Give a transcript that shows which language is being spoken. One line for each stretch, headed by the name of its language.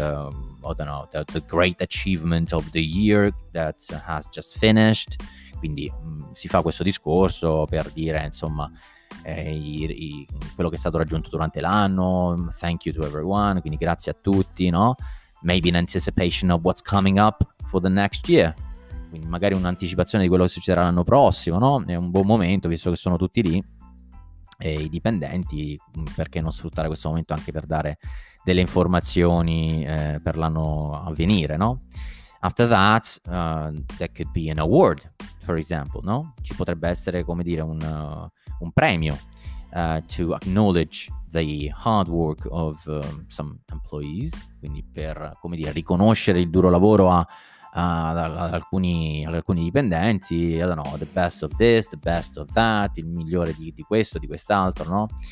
English: The great achievement of the year that has just finished.
Italian: Quindi si fa questo discorso per dire, insomma, quello che è stato raggiunto durante l'anno.
English: Thank you to everyone.
Italian: Quindi grazie a tutti, no?
English: Maybe in anticipation of what's coming up for the next year.
Italian: Quindi magari un'anticipazione di quello che succederà l'anno prossimo, no? È un buon momento, visto che sono tutti lì, e i dipendenti, perché non sfruttare questo momento anche per dare delle informazioni per l'anno a venire, no?
English: After that, there could be an award, for example, no?
Italian: Ci potrebbe essere, come dire, un premio
English: to acknowledge the hard work of some employees,
Italian: quindi per, come dire, riconoscere il duro lavoro ad alcuni dipendenti,
English: I don't know, the best of this, the best of that,
Italian: il migliore di questo, di quest'altro, no?